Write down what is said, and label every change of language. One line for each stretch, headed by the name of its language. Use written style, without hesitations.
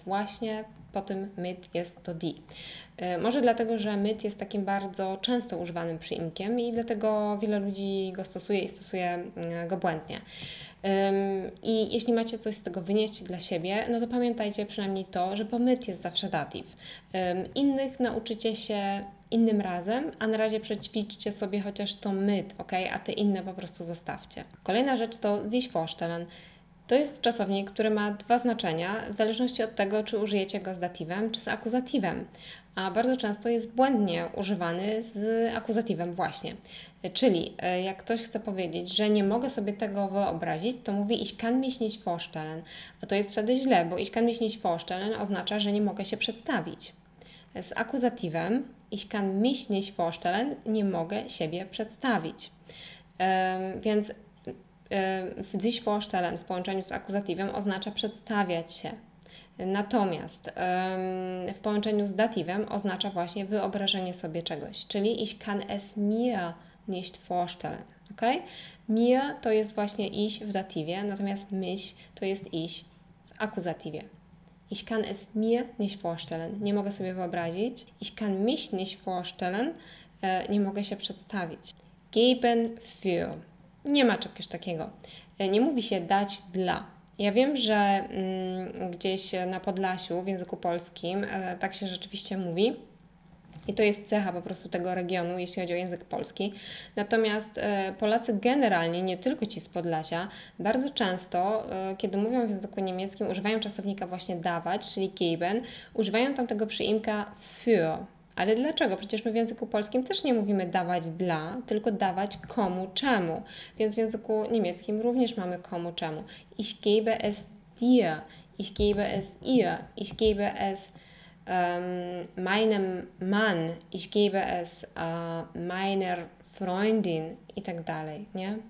Polish: Właśnie po tym myd jest to di. Może dlatego, że myd jest takim bardzo często używanym przyimkiem i dlatego wiele ludzi go stosuje i stosuje go błędnie. I jeśli macie coś z tego wynieść dla siebie, no to pamiętajcie przynajmniej to, że pomyt jest zawsze datyw. Innych nauczycie się innym razem, a na razie przećwiczcie sobie chociaż to myt, ok? A te inne po prostu zostawcie. Kolejna rzecz to sich vorstellen. To jest czasownik, który ma dwa znaczenia, w zależności od tego, czy użyjecie go z datywem, czy z akuzatywem. a bardzo często jest błędnie używany z akuzatywem właśnie. Czyli jak ktoś chce powiedzieć, że nie mogę sobie tego wyobrazić, to mówi
German: ich kann mich nicht vorstellen.
Polish: A to jest wtedy źle, bo
German: ich kann mich nicht vorstellen
Polish: oznacza, że nie mogę się przedstawić. Z akuzatywem
German: ich kann mich nicht vorstellen
Polish: nie mogę siebie przedstawić. Więc sich vorstellen w połączeniu z akuzatywem oznacza przedstawiać się. Natomiast w połączeniu z datywem oznacza właśnie wyobrażenie sobie czegoś, czyli
German: ich kann es mir nicht vorstellen.
Polish: Okay? Mir to jest właśnie ich w datywie, natomiast mich to jest ich w akuzatywie.
German: Ich kann es mir nicht vorstellen.
Polish: Nie mogę sobie wyobrazić.
German: Ich kann mich nicht vorstellen.
Polish: Nie mogę się przedstawić. Geben für. Nie ma czegoś takiego. Nie mówi się dać dla. Ja wiem, że gdzieś na Podlasiu w języku polskim tak się rzeczywiście mówi. I to jest cecha po prostu tego regionu, jeśli chodzi o język polski. Natomiast Polacy generalnie, nie tylko ci z Podlasia, bardzo często, kiedy mówią w języku niemieckim, używają czasownika właśnie dawać, czyli geben, używają tam tego przyimka für. Ale dlaczego? Przecież my w języku polskim też nie mówimy dawać dla, tylko dawać komu czemu. Więc w języku niemieckim również mamy komu czemu.
German: Ich gebe es dir, ich gebe es ihr, ich gebe es meinem Mann, ich gebe es meiner Freundin
Polish: i tak dalej, nie?